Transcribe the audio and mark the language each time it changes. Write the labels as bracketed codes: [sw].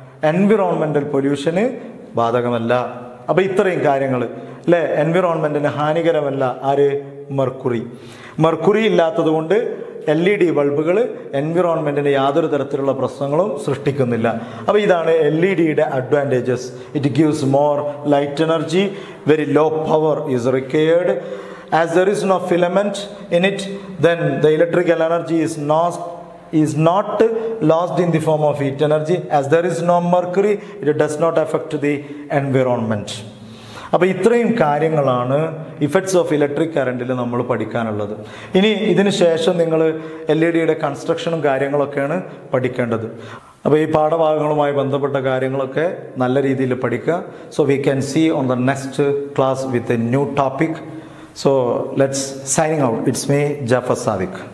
[ml] Environmental പൊല്യൂഷന് ബാധകമല്ല. അപ്പോൾ ഇത്രയും കാര്യങ്ങൾ അല്ലേ, എൻവിറോൺമെൻറ്റിന് ഹാനികരമല്ല. ആര്? മെർക്കുറി. മെർക്കുറി ഇല്ലാത്തത് കൊണ്ട് LED ബൾബുകൾ എൻവിറോൺമെൻറ്റിന് യാതൊരു തരത്തിലുള്ള പ്രശ്നങ്ങളും സൃഷ്ടിക്കുന്നില്ല. അപ്പോൾ ഇതാണ് LED advantages. [en] It gives more light energy, very low power is required. As there is no filament in it, then the electrical energy is not lost in the form of heat energy. As there is no mercury, it does not affect the environment. [ml] അപ്പൊ ഇത്രയും കാര്യങ്ങളാണ് effects of electric കറണ്ടിൽ നമ്മൾ പഠിക്കാനുള്ളത്. ഇനി ഇതിന് ശേഷം നിങ്ങൾ LED കൺസ്ട്രക്ഷനും കാര്യങ്ങളൊക്കെയാണ് പഠിക്കേണ്ടത്. അപ്പോൾ ഈ പാഠഭാഗങ്ങളുമായി ബന്ധപ്പെട്ട കാര്യങ്ങളൊക്കെ നല്ല രീതിയിൽ പഠിക്കുക. [en] So we can see on the next class with a new topic. So let's signing out. It's me, Jafar Sadiq.